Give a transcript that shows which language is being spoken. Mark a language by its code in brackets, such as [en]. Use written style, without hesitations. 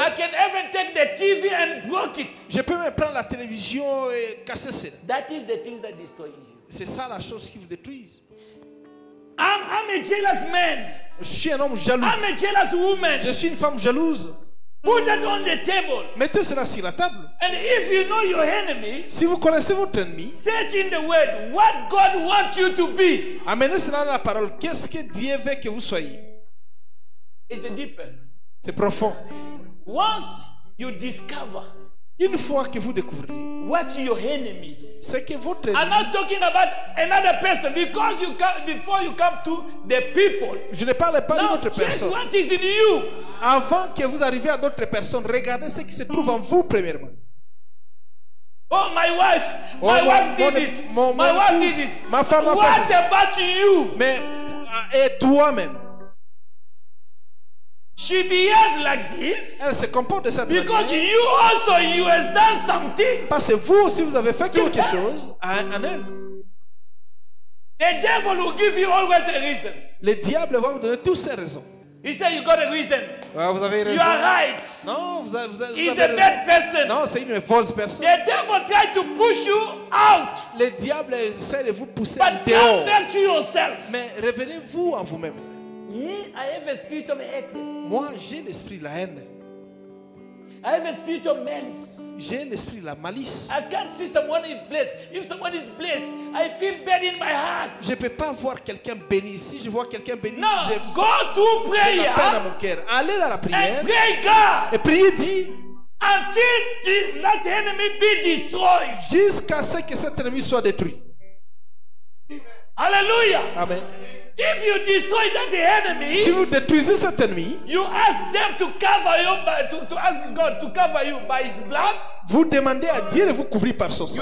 [en] I can even take the TV and break it. [fr] Je peux même prendre la télévision et casser celle. [en] That is the thing that destroys you. [fr] C'est ça la chose qui vous détruise. [en] I'm a jealous man. [fr] Je suis un homme jaloux. [en] I'm a jealous woman. [fr] Je suis une femme jalouse. [en] Put that on the table. [fr] Mettez cela sur la table. [en] And if you know your enemy, [fr] si vous connaissez votre ennemi, [en] search in the word what God wants you to be. [fr] Amenez cela dans la parole. Qu'est-ce que Dieu veut que vous soyez? [en] It's deep. [fr] C'est profond. [en] Once you discover, [fr] une fois que vous découvrez, [en] what your enemies, [fr] c'est que votre ennemi. [en] I'm not talking about another person because you come before you come to the people. [fr] Je ne parle pas d'une autre personne. [en] Check what is in you. [fr] Avant que vous arriviez à d'autres personnes, regardez ce qui se trouve en vous premièrement. [en] Oh, my wife, oh, my wife did this. My wife did this. [fr] Ma femme a [en] what [fr] fait ça. [en] What about you? [fr] Mais et toi-même? [en] She behaves like this. [fr] Elle se comporte de cette [en] because [fr] manière. [en] Because you also you has done something. [fr] Parce que vous aussi vous avez fait quelque chose en elle. [en] The devil will give you always a reason. [fr] Le diable va vous donner toutes ses raisons. [en] He said you got a reason. [fr] Ouais, vous avez raison. [en] You are right. [fr] Non, vous [en] he's [fr] avez [en] a bad person. [fr] Non, c'est une fausse personne. [en] The devil tried to push you out. [fr] Le diable essaie de vous pousser [en] but [fr] dehors. [en] But come back to yourself. [fr] Mais revenez-vous en vous-même. [en] Me, I have a spirit of hate. [fr] Moi, j'ai l'esprit de la haine. [en] I have a spirit of malice. [fr] J'ai l'esprit de la malice. [en] I can't see someone is blessed. If someone is blessed, I feel bad in my heart. [fr] Je peux pas voir quelqu'un béni. Si je vois quelqu'un béni, [en] no, [fr] je [en] go to prayer. [fr] J'ai la peine dans mon cœur. Allez dans la prière. [en] And pray God. [fr] Et priez Dieu. [en] Until that enemy be destroyed. [fr] Jusqu'à ce que cet ennemi soit détruit. Alléluia. Amen. [en] If you destroy that enemy, [fr] si vous détruisez cet ennemi, [en] you ask them to cover you by to ask God to cover you by His blood. [fr] Vous demandez à Dieu de vous couvrir par son sang.